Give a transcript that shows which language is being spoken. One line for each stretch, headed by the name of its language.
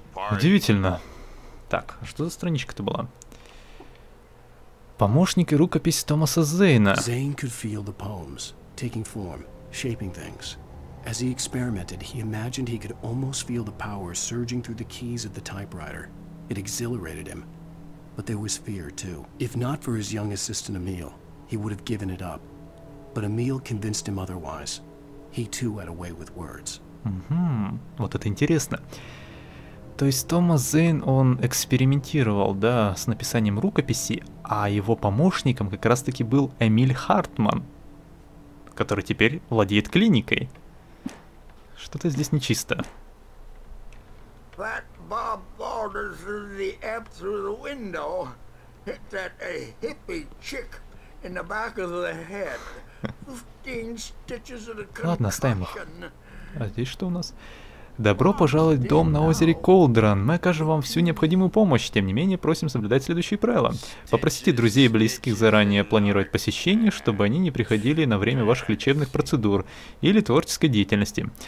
Russian: Удивительно. Так, а что за страничка-то была? Помощник и рукопись Томаса Зейна. Зейн мог чувствовать поэмы,
English: taking form, shaping things. As he experimented, he imagined he could almost feel the power surging through the keys of the typewriter. It exhilarated him. But there was fear, too. If not for his young assistant, Emil, he would have given it up. But Emil convinced him otherwise. He, too, had a way with words.
Russian: Mm-hmm. Вот это интересно. То есть Томас Зейн, он экспериментировал, да, с написанием рукописи, а его помощником как раз-таки был Эмиль Хартман, который теперь владеет клиникой. Что-то здесь нечисто.
English: Bob Baldur's the app through the window hit that a hippie chick in the back of the head. 15 stitches of the concussion.
Russian: А здесь что у нас? Добро пожаловать в дом на озере Колдран. Мы окажем вам всю необходимую помощь. Тем не менее, просим соблюдать следующие правила. Попросите друзей и близких заранее планировать посещение, чтобы они не приходили на время ваших лечебных процедур или творческой деятельности.